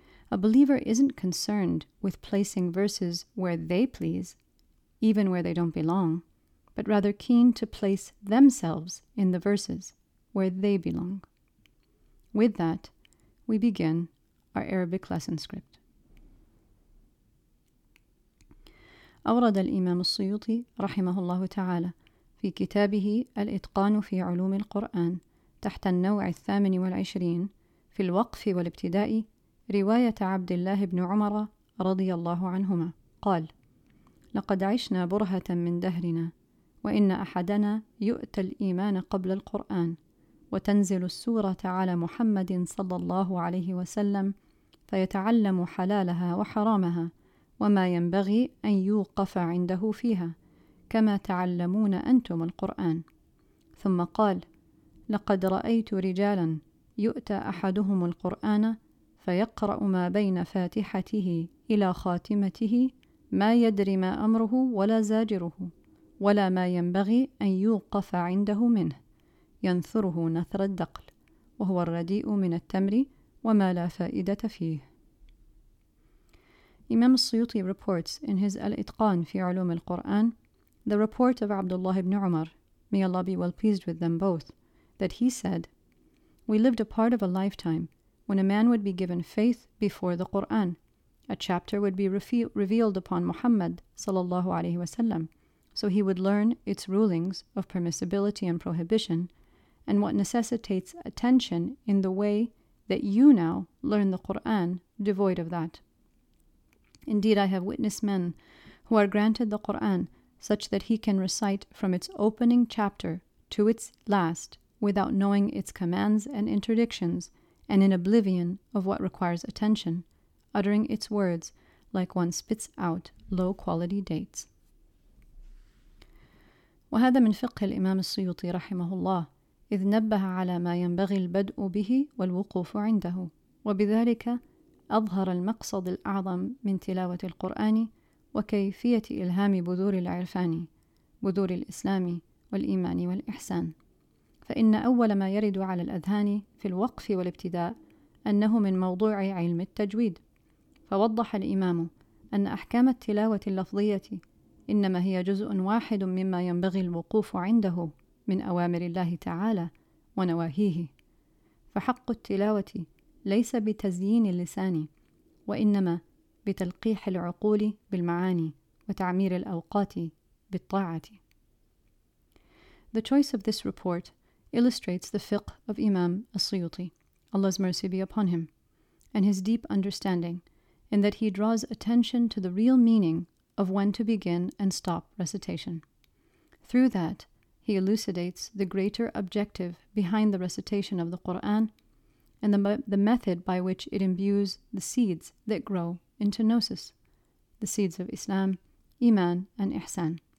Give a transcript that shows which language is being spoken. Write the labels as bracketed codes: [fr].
[en] A believer isn't concerned with placing verses where they please, even where they don't belong, but rather keen to place themselves in the verses where they belong. With that, we begin our Arabic lesson script. [ar] أورد الإمام السيوطي رحمه الله تعالى في كتابه الإتقان في علوم القرآن تحت النوع 28 في الوقف والابتداء رواية عبد الله بن عمر رضي الله عنهما قال لقد عشنا برهة من دهرنا وإن أحدنا يؤتى الإيمان قبل القرآن وتنزل السورة على محمد صلى الله عليه وسلم فيتعلم حلالها وحرامها وما ينبغي أن يوقف عنده فيها كما تعلمون أنتم القرآن ثم قال لقد رأيت رجالا يؤتى أحدهم القرآن فيقرأ ما بين فاتحته إلى خاتمته ما يدري ما أمره ولا زاجره ولا ما ينبغي أن يوقف عنده منه ينثره نثر الدقل وهو الرديء من التمر وما لا فائدة فيه. [en] Imam Suyuti reports in his Al-Itqan fi Ulum Al-Qur'an, the report of Abdullah ibn Umar, may Allah be well pleased with them both, that he said, we lived a part of a lifetime when a man would be given faith before the Qur'an. A chapter would be revealed upon Muhammad sallallahu alayhi wa sallam, so he would learn its rulings of permissibility and prohibition and what necessitates attention in the way that you now learn the Qur'an devoid of that. Indeed, I have witnessed men who are granted the Qur'an such that he can recite from its opening chapter to its last without knowing its commands and interdictions and in oblivion of what requires attention, uttering its words like one spits out low-quality dates. [ar] وهذا من فقه الإمام السيوطي رحمه الله إذ نبه على ما ينبغي البدء به والوقوف عنده وبذلك أظهر المقصد الأعظم من تلاوة القرآن وكيفية إلهام بذور العرفان بذور الإسلام والإيمان والإحسان فإن أول ما يرد على الأذهان في الوقف والابتداء أنه من موضوع علم التجويد فوضح الإمام أن أحكام التلاوة اللفظية إنما هي جزء واحد مما ينبغي الوقوف عنده من أوامر الله تعالى ونواهيه فحق التلاوة ليس بتزيين اللسان وإنما بتلقيح العقول بالمعاني وتعمير الأوقات بالطاعة. [en] The choice of this report illustrates the fiqh of Imam As-Suyuti, Allah's mercy be upon him, and his deep understanding in that he draws attention to the real meaning of when to begin and stop recitation. Through that, he elucidates the greater objective behind the recitation of the Qur'an and the method by which it imbues the seeds that grow into gnosis, the seeds of Islam, Iman, and Ihsan.